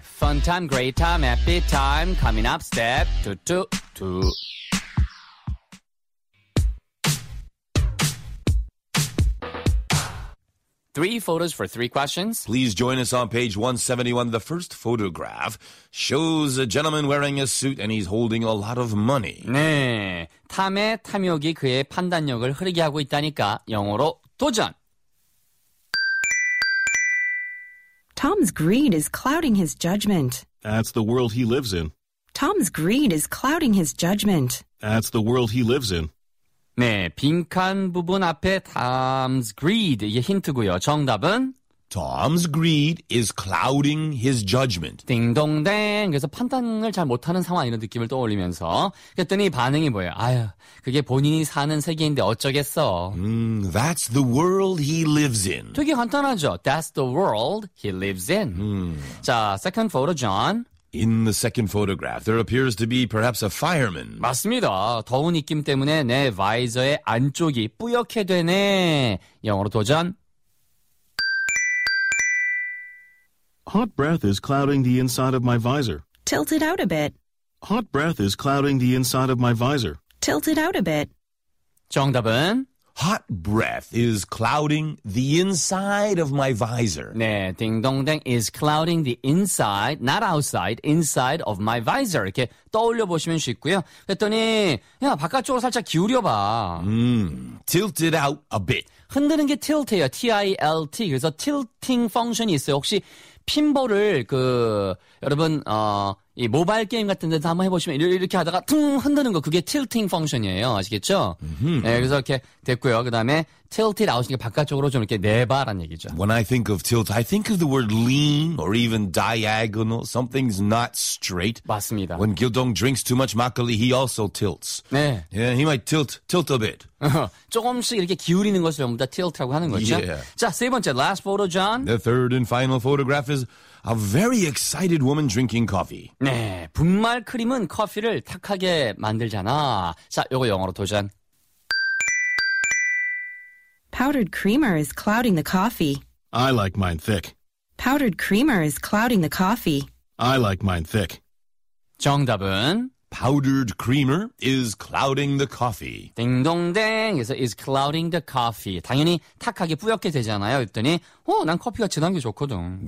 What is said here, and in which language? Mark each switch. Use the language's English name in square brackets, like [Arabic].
[English] Fun time, great time, happy time, coming up step 2-2-2. Three photos for three questions. Please join us on page 171. The first photograph shows a gentleman wearing a suit and he's holding a lot of money. [Korean] 네, 탐의 탐욕이 그의 판단력을 흐리게 하고 있다니까. 영어로 도전. [English] Tom's greed is clouding his judgment. That's the world he lives in. Tom's greed is clouding his judgment. That's the world he lives in. [Korean] 네, 빈칸 부분 앞에 [English] Tom's greed, [Korean] 이게 힌트고요. 정답은 [English] Tom's greed is clouding his judgment. [Korean] 딩동댕. 그래서 판단을 잘 못하는 상황, 이런 느낌을 떠올리면서 그랬더니 반응이 뭐예요? 아유, 그게 본인이 사는 세계인데 어쩌겠어. [English] That's the world he lives in. [Korean] 되게 간단하죠. [English] That's the world he lives in. 자, second photo, John. In the second photograph, there appears to be perhaps a fireman. [Korean] 맞습니다. 더운 입김 때문에 내 바이저의 안쪽이 뿌옇게 되네. 영어로 도전. [English] Hot breath is clouding the inside of my visor. Tilt it out a bit. Hot breath is clouding the inside of my visor. Tilt it out a bit. [Korean] 정답은? [English] Hot breath is clouding the inside of my visor. [Korean] 네, 딩동댕 [English] is clouding the inside, not outside, inside of my visor. [Korean] 이렇게 떠올려 보시면 쉽고요. 그랬더니, 야, 바깥쪽으로 살짝 기울여봐. [English] Tilt it out a bit. [Korean] 흔드는 게 tilt예요. T-I-L-T. 그래서 [English] tilting function [Korean] 이 있어요. 혹시 핀볼을 그 여러분 이 모바일 게임 같은 데서 한번 해보시면 이렇게 하다가 퉁 흔드는 거 그게 틸팅 펑션이에요. 아시겠죠? 네, 그래서 이렇게 됐고요. 그 다음에 [English] tilt it out [Korean] 이렇게 바깥쪽으로 좀 이렇게 내봐라는 얘기죠. [English] When I think of tilt, I think of the word lean or even diagonal. Something's not straight. [Korean] 맞습니다. [English] When Gildong drinks too much makgeolli, he also tilts. [Korean] 네. [English] Yeah, he might tilt a bit. [Korean] 조금씩 이렇게 기울이는 것을 전부 다 tilt라고 하는 거죠. [English] Yeah. [Korean] 자, 세 번째, [English] last photo, [Korean] John. [English] The third and final photograph is a very excited woman drinking coffee. [Korean] 네, 분말 크림은 커피를 탁하게 만들잖아. 자, 요거 영어로 도전. [English] Powdered creamer is clouding the coffee. I like mine thick. Powdered creamer is clouding the coffee. I like mine thick. [Korean] 정답은? [English] Powdered creamer is clouding the coffee. [Korean] 딩동댕 해서 [English] is clouding the coffee. [Korean] 당연히 탁하게 뿌옇게 되잖아요. 그랬더니 오, 난 커피가 진한 게 좋거든.